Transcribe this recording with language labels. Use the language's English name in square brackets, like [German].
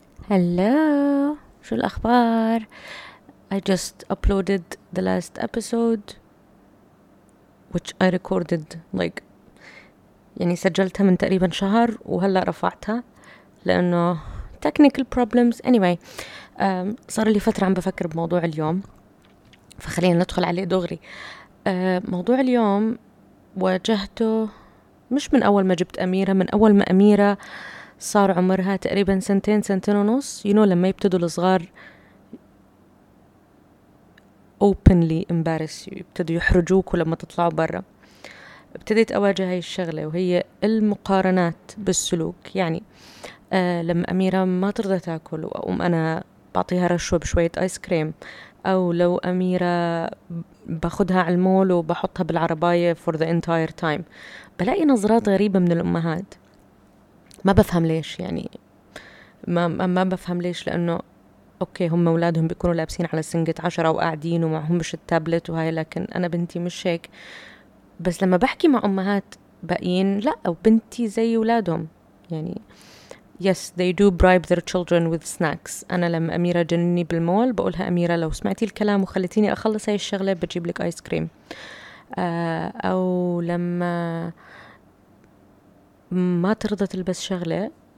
[English] Hello, [Arabic] شو الأخبار؟ [English] I just uploaded the last episode which I recorded like [Arabic] يعني سجلتها من تقريبا شهر وهلا رفعتها لأنه [English] technical problems. [Arabic] Anyway, صار لي فترة عم بفكر بموضوع اليوم فخلينا ندخل عليه دغري. موضوع اليوم واجهته مش من أول ما جبت أميرة، من أول ما أميرة صار عمرها تقريبا سنتين سنتين ونص. لما يبتدوا الصغار [English] openly embarrass you، [Arabic] يبتدوا يحرجوك لما تطلعوا برا. ابتديت اواجه هاي الشغلة وهي المقارنات بالسلوك. يعني لما اميرة ما ترضى تاكل واقوم انا بعطيها رشوة بشوية ايس كريم، او لو اميرة باخدها على المول وبحطها بالعرباية [English] for the entire time، [Arabic] بلاقي نظرات غريبة من الامهات. ما بفهم ليش، يعني ما بفهم ليش، لأنه أوكي هم أولادهم بيكونوا لابسين على سنقة 10 وقاعدين ومعهم مش التابلت وهاي، لكن أنا بنتي مش هيك. بس لما بحكي مع أمهات باقيين، لا وبنتي زي أولادهم. [English] يعني yes they do bribe their children with snacks. [Arabic] أنا لما أميرة جنني بالمول بقولها أميرة لو سمعتي الكلام وخلتيني أخلص هاي الشغلة بجيب لك آيس كريم. أو لما ما ترضى تلبس شغلة